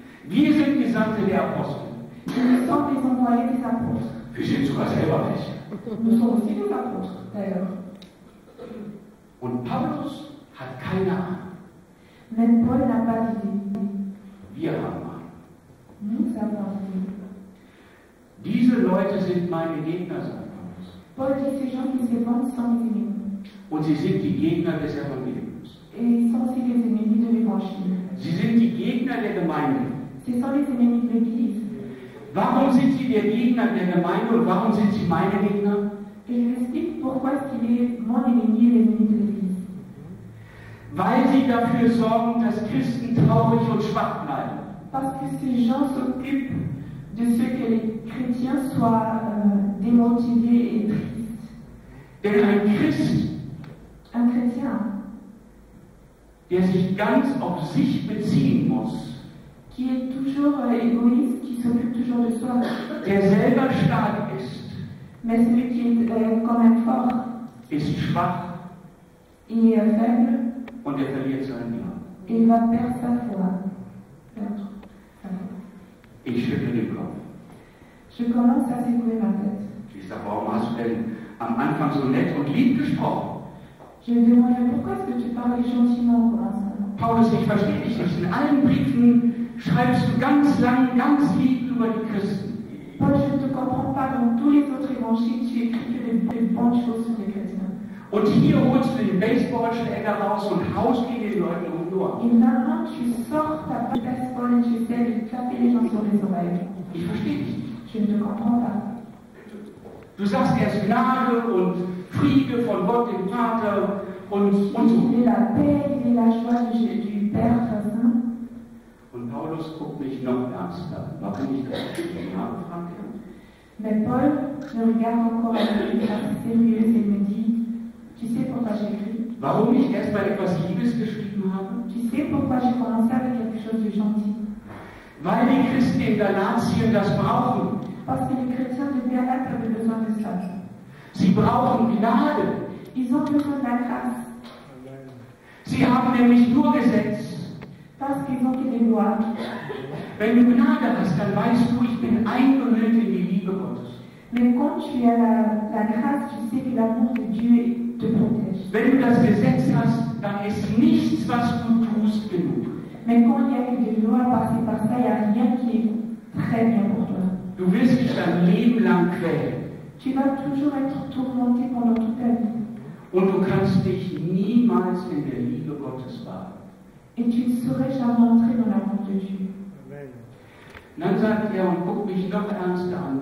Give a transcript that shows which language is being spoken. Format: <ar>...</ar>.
<de>Wir sind Gesandte der Apostel.</de> <fr>Et nous sommes des envoyés des apôtres.</fr> <de>Wir sind sogar selber welche.</de> <fr>Nous sommes aussi des apôtres, d'ailleurs.</fr> <de>Und Paulus hat keine Ahnung.</de> <fr>Mais Paul n'a pas d'idée.</fr> <de>Wir haben Ahnung.</de> <fr>Nous avons Ahnung.</fr> <de>Diese Leute sind meine Gegner, sagt Paulus.</de> <fr>Paul dit, ces gens qui se vendent sont mes ennemis.</fr> <de>Und sie sind die Gegner des Evangeliums.</de> <fr>Et ils sont aussi les ennemis de l'Évangile.</fr> <de>Sie sind die Gegner der Gemeinde.</de> <fr>Ce sont les ennemis de l'Église.</fr> <de>Warum sind sie der Gegner der Gemeinde und warum sind sie meine Gegner?</de> <fr>Et je explique pourquoi est-ce qu'il est mon ennemi et l'ennemi de l'Église.</fr> <de>Weil sie dafür sorgen, dass Christen traurig und schwach bleiben.</de> <fr>Parce que ces gens s'occupent de ce que les chrétiens soient démotivés et tristes.</fr> <de>Denn ein Christ,</de> <fr>un chrétien,</fr> <de>der sich ganz auf sich beziehen muss,</de> <fr>qui est toujours égoïste, qui s'occupe toujours de soi,</fr> <de>der selber stark ist,</de> <fr>mais celui qui est comme un fort,</fr> <de>ist schwach,</de> <fr>il est faible,</fr> <de>und er verliert seinen Glauben.</de> <fr>Il va perdre sa foi.</fr> <de>Ich schüttle den Kopf.</de> <fr>Je commence à secouer ma tête.</fr> <de>Ich sage, warum hast du denn am Anfang so nett und lieb gesprochen?</de> <fr>Je me demande pourquoi est-ce que tu parles gentiment au commencement.</fr> <de>Paulus, ich verstehe dich nicht. In allen Briefen schreibst du ganz lang, ganz lieb über die Christen.</de> <fr>Paul, je ne te comprends pas. Dans tous les autres évangiles, tu écris que des bonnes choses sur les chrétiens.</fr> <de>Und hier holst du den Baseballschläger raus und haust ihn den Leuten um die Ohren.</de> <fr>Et maintenant, tu sors ta baseball et tu sais lui taper les gens sur les oreilles.</fr> <de>Ich verstehe dich.</de> <fr>Je ne te comprends pas.</fr> <de>Du sagst erst Gnade und Friede von Gott dem Vater und so.</de> <fr>Et la paix et la joie du Père Saint.</fr> <de>Und Paulus guckt mich noch ernster. Noch nicht das Gnade, Franke.</de> <fr>Mais Paul me regarde encore sérieux et me dit: tu sais pourquoi j'écris?</fr> <de>Warum ich erst mal etwas Liebes geschrieben habe?</de> <fr>Tu sais pourquoi j'ai commencé avec quelque chose de gentil?</fr> <de>Weil die Christen in Galatien das brauchen.</de> <fr>Parce que les chrétiens de Galate ont besoin de ça.</fr> <de>Sie brauchen Gnade.</de> <fr>Ils ont besoin de la grâce.</fr> <de>Sie haben nämlich nur Gesetz.</de> <fr>Parce qu'ils ont que des lois.</fr> <de>Wenn du Gnade hast, dann weißt du, ich bin eingehüllt in die Liebe Gottes.</de> <fr>Mais quand tu as la grâce, tu sais que l'amour de Dieu est.</fr> <de>Wenn du das Gesetz hast, dann ist nichts, was du tust, genug.</de> <fr>Mais quand il y a que des lois passées par ça, il n'y a rien qui est très bien pour toi.</fr> <de>Du wirst dich dein Leben lang quälen.</de> <fr>Tu vas toujours être tourmenté pendant toute ta vie.</fr> <de>Und du kannst dich niemals in der Liebe Gottes wahren.</de> <fr>Et tu ne saurais jamais entrer dans l'amour de Dieu.</fr> <de>Amen. Dann sagt er und guckt mich noch ernster an.</de>